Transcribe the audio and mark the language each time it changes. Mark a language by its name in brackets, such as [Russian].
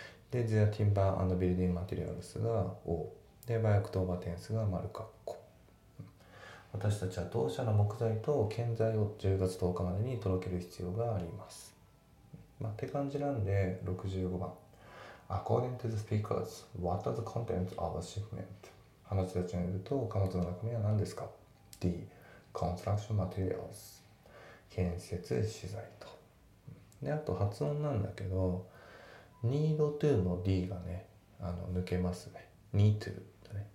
[Japanese] で、 the timber and building materials が O。で、 by October 10th が丸括弧。私たちは同社の木材と建材を10月10日までに届ける必要があります。まあ、って感じなんで、65番。 [English] According to the speakers, what are the contents of a shipment? [Japanese] 話たちによると、貨物の中身は何ですか ?D. [English] Construction materials. 建設資材と。 [Japanese] で、あと発音なんだけど、need to の D がね、抜けますね。need to だね。